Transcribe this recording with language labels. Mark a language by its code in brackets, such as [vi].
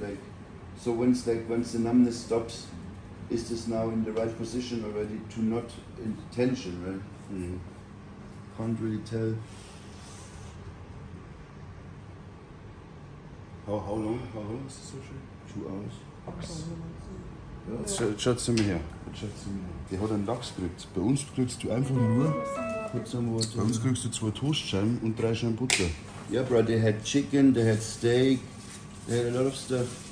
[en] Like, so once the numbness stops, is this now in the right position already to not in tension, right? Mm-hmm. Can't really tell. How long is this session? 2 hours. [de] Schaut zu mir her. Der hat einen Lachs gekriegt. Bei uns kriegst du einfach nur. Bei uns kriegst du 2 Toastscheiben und 3 Scheiben Butter. [en] Ja, yeah, bro, they had chicken, they had steak, they had a lot of stuff.